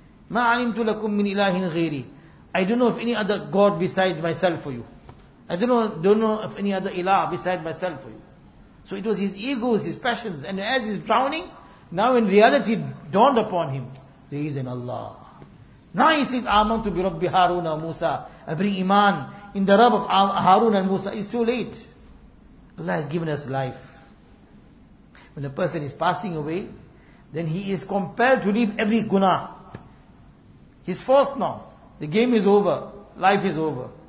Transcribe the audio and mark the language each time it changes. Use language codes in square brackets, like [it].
[ar] مَا عَلِمْتُ لَكُمْ مِنْ إِلَٰهٍ غَيْرِي. [en] I don't know of any other God besides myself for you. I don't know of any other ilah besides myself for you. So it was his egos, his passions. And as he's drowning, now in reality dawned upon him, there is an Allah. Now he says, [ar] آمَنْتُ بِرَبِّ هَارُونَ وَمُوسَى. [en] I bring iman in the Rabb of Harun and Musa. It's too late. Allah has given us life. When a person is passing away, then he is compelled to leave every guna. He's forced now. The game is over. Life is over.